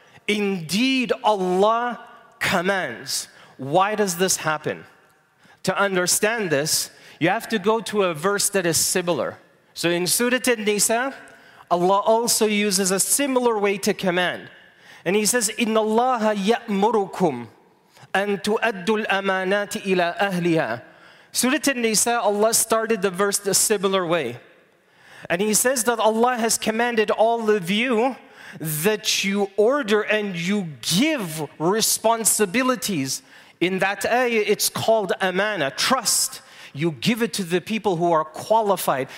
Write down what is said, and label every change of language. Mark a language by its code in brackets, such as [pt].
[en] Indeed, Allah commands. Why does this happen? To understand this, you have to go to a verse that is similar. So in Surah An-Nisa, Allah also uses a similar way to command. And He says, [ar] in Allah ya'murukum. [en] And to [ar] أَدُّ الْأَمَانَاتِ إِلَىٰ أَهْلِهَا. [en] Surah An-Nisa, Allah started the verse a similar way. And He says that Allah has commanded all of you that you order and you give responsibilities. In that ayah, it's called amana, trust. You give it to the people who are qualified.